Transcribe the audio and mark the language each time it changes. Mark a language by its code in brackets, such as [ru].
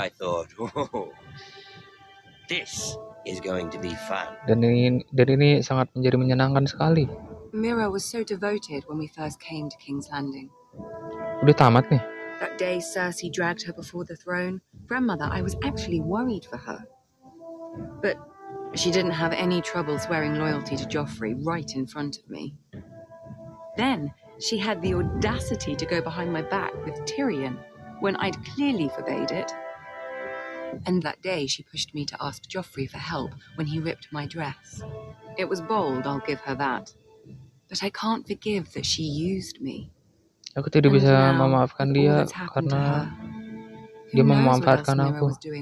[en] And I thought, this is going to be fun. [id] Dan ini sangat menjadi menyenangkan sekali. [en] Mira was so devoted when we first came to King's Landing. [id] Udah tamat nih. [en] That day Cersei dragged her before the throne. Grandmother, I was actually worried for her. But she didn't have any trouble swearing loyalty to Joffrey right in front of me. Then she had the audacity to go behind my back with Tyrion when I'd clearly forbade it. And that day she pushed me to ask Joffrey for help when he ripped my dress. It was bold, I'll give her that. But I can't forgive that she used me. [id] Aku tidak bisa memaafkan dia karena dia memanfaatkan aku.